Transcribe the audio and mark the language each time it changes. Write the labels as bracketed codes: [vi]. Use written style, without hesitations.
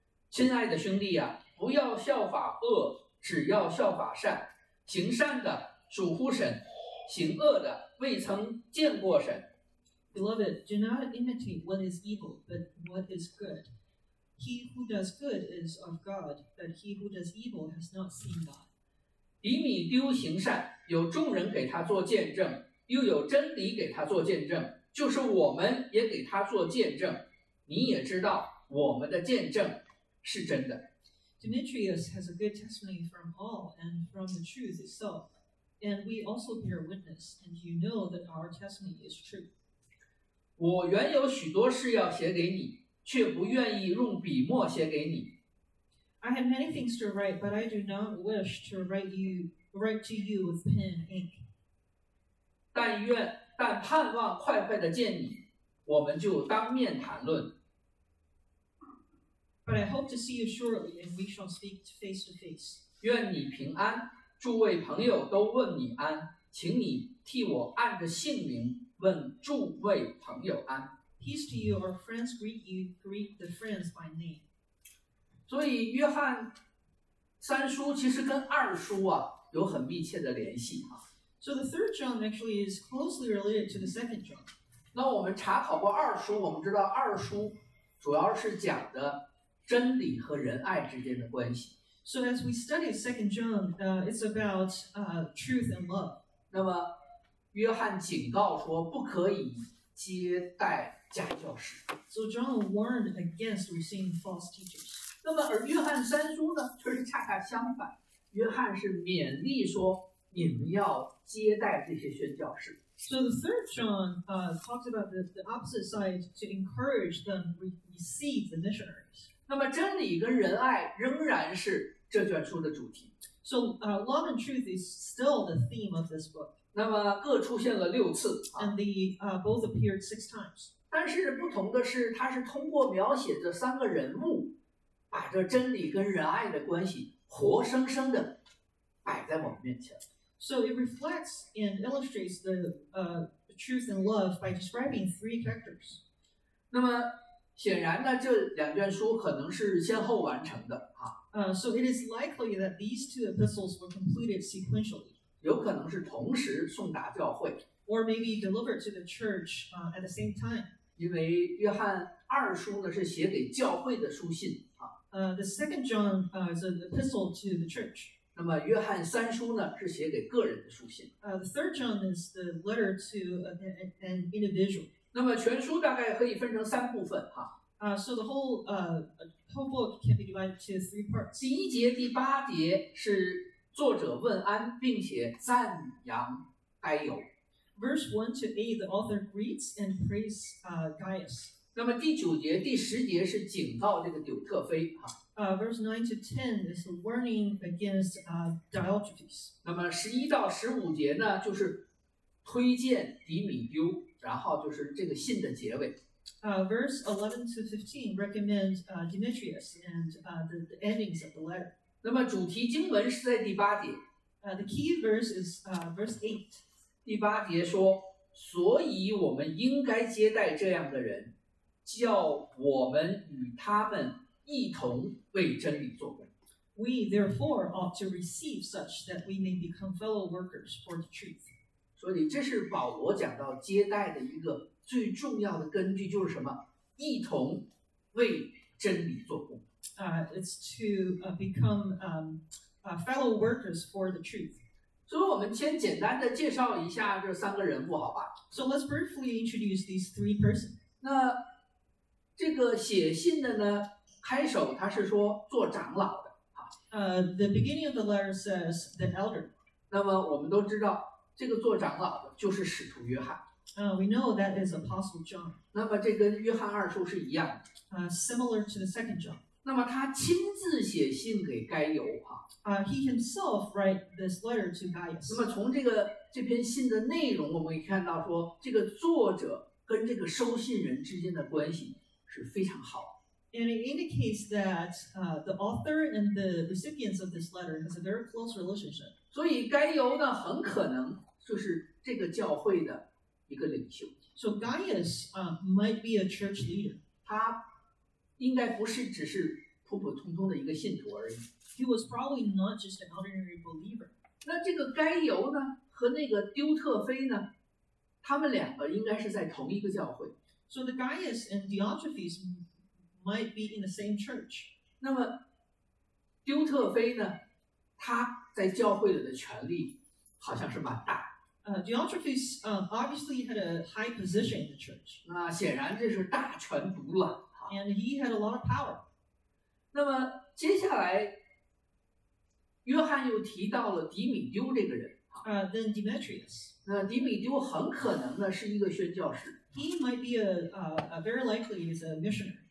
[zh] 亲爱的兄弟啊，不要效法恶。只要效法善，行善的属乎神，行恶的未曾见过神。 [en] Beloved, do not imitate what is evil, but what is good. He who does good is of God, but he who does evil has not seen God. [zh] 迪米丢行善，有众人给他做见证，又有真理给他做见证，就是我们也给他做见证，你也知道我们的见证是真的。 [en] Demetrius has a good testimony from all and from the truth itself, and we also bear witness, and you know that our testimony is true. [zh] 我原有许多事要写给你，却不愿意用笔墨写给你。 [en] I have many things to write, but I do not wish to write to you with pen and ink. [zh] 但盼望快快地见你，我们就当面谈论。 [en] But I hope to see you shortly, and we shall speak face to face. [zh] 愿你平安，诸位朋友都问你安，请你替我按着姓名问诸位朋友安。 [en] Peace to you, our friends greet you, greet the friends by name. [zh] 所以约翰三书其实跟二书啊有很密切的联系啊。 [en] So the third John actually is closely related to the second John. [zh] 那我们查考过二书，我们知道二书主要是讲的真理和仁爱之间的关系。 [en] So as we study second John, it's about truth and love. [zh] 那么约翰警告说不可以接待假教师。 [en] So John warned against receiving false teachers. [zh] 那么而约翰三书呢，却是恰恰相反，约翰是勉励说你们要接待这些宣教士。 [en] So the third John talks about the opposite side to encourage them receive the missionaries. [zh] 那么真理跟仁爱仍然是这卷书的主题。 [en] So love and truth is still the theme of this book. [zh] 那么各出现了六次。 [en] And the both appeared six times. [zh] 但是不同的是，它是通过描写这三个人物，把这真理跟仁爱的关系活生生的摆在我们面前。 [en] So it reflects and illustrates the truth and love by describing three characters. [zh] 那么显然呢，这两卷书可能是先后完成的啊。 [en] So it is likely that these two epistles were completed sequentially. [zh] 有可能是同时送达教会。 [en] Or maybe delivered to the church at the same time. [zh] 因为约翰二书呢是写给教会的书信啊。 [en] The second John is an epistle to the church. [zh] 那么约翰三书呢是写给个人的书信。 [en] The third John is the letter to an individual. [zh] 那么全书大概可以分成三部分哈。 [en] So the whole book can be divided into three parts. [zh] 第一节第八节是作者问安并且赞扬该友。 [en] Verse 1-8, the author greets and praises Gaius. [zh] 那么第九节第十节是警告这个丢特菲哈。 [en] Verse 9-10 is a warning against Diotrephes. [zh] 那么11-15呢，就是推荐迪米丢，然后就是这个信的结尾。 [en] Verse 11-15 recommends Demetrius and the endings of the letter. [zh] 那么主题经文是在第八节。 [en] The key verse is verse 8. [zh] 第八节说，所以我们应该接待这样的人，叫我们与他们一同为真理做工。 [en] We therefore ought to receive such that we may become fellow workers for the truth. [zh] 所以这是保罗讲到接待的一个最重要的根据，就是什么？一同为真理做工。 [en] It's to become fellow workers for the truth. [zh] 所以我们先简单的介绍一下这三个人物，好吧？ [en] So let's briefly introduce these three persons. [zh] 那这个写信的呢？开首他是说做长老的。 [en] The beginning of the letter says the elder. [zh] 那么我们都知道这个做长老的就是使徒约翰。 [en] We know that is Apostle John. [zh] 那么这跟约翰二书是一样的。 [en] Similar to the second John. [zh] 那么他亲自写信给该友啊。 [en] He himself write this letter to Gaius. [zh] 那么从这篇信的内容，我们可以看到说这个作者跟这个收信人之间的关系是非常好的。 [en] And it indicates that the author and the recipients of this letter has a very close relationship. [zh] 所以该由呢很可能就是这个教会的一个领袖。 [en] So Gaius might be a church leader. [zh] 他应该不是只是普普通通的一个信徒而已。 [en] He was probably not just an ordinary believer. [zh] 那这个该由呢和那个丢特菲呢，他们两个应该是在同一个教会。 [en] So the Gaius and Diotrephes might be in the same church. [zh] 那么丢特菲呢，他在教会里的权力好像是蛮大。 [en] Diotrephes obviously had a high position in the church. [zh] 那显然这是大权独揽。 [en] And he had a lot of power. [zh] 那么接下来，约翰又提到了迪米丢这个人。 [en] Then Demetrius. [zh] 那迪米丢很可能呢是一个宣教士。 [en] He might be a very likely is a missionary.